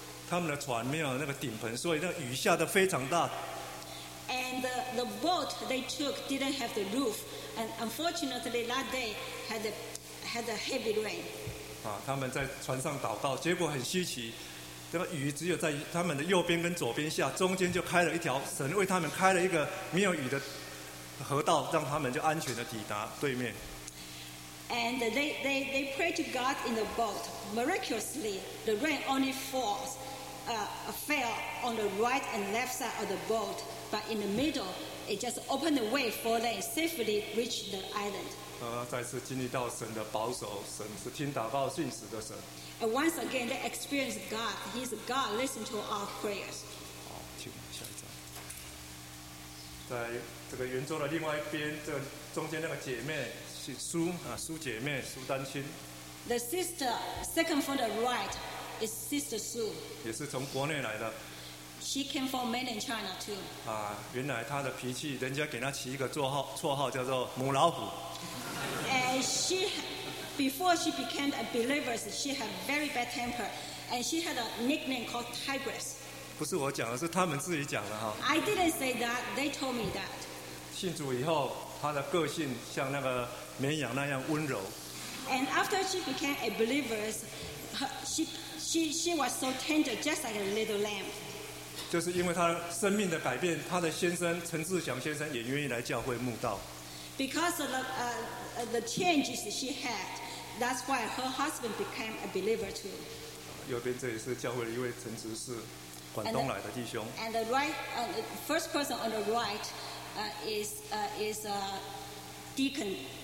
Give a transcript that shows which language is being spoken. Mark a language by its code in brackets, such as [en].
[zh] 他们的船没有那个顶棚，所以那雨下的非常大。 [en] And the boat they took didn't have the roof, and unfortunately that day had a heavy rain. [zh] 啊，他们在船上祷告，结果很稀奇，这个雨只有在他们的右边跟左边下，中间就开了一条，神为他们开了一个没有雨的河道，让他们就安全的抵达对面。 [en] And they pray to God in the boat. Miraculously, the rain only falls, fell on the right and left side of the boat, but in the middle, it just opened the way for them safely reach the island. [zh] 再次经历到神的保守，神是听祷告信实的神。 [en] And once again, they experience God. He's God. Listen to our prayers. [zh] 好，请下一张。在这个圆桌的另外一边，这个、中间那个姐妹。苏姐妹苏丹青 [en] ，The sister second from the right is Sister Sue， [zh] 也是从国内来的。 [en] She came from mainland China too。 [zh] 啊，原来她的脾气，人家给她起一个绰号叫做母老虎。 [en] And she before she became a believer, she had very bad temper, and she had a nickname called Tigress。 [zh] 不是我讲的，是他们自己讲的哈。 [en] I didn't say that. They told me that。 [zh] 信主以后，她的个性像那个绵羊那样温柔。 [en] And after she became a believer, she was so tender, just like a little lamb. [zh] 就是因为她生命的改变，她的先生陈志祥先生也愿意来教会慕道。 [en] Because of the changes she had, that's why her husband became a believer too. [zh] 右边这也是教会的一位陈执事，广东来的弟兄。 [en] And the right, first person on the right, is a deacon.